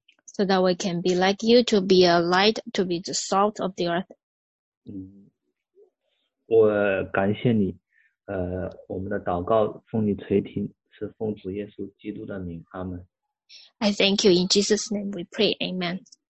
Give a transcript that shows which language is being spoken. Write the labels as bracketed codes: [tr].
[en] So that we can be like you, to be a light, to be the salt of the earth. [zh] 我感谢你，我们的祷告奉你垂听，是奉主耶稣基督的名，阿门。 [en] I thank you in Jesus' name. We pray, Amen.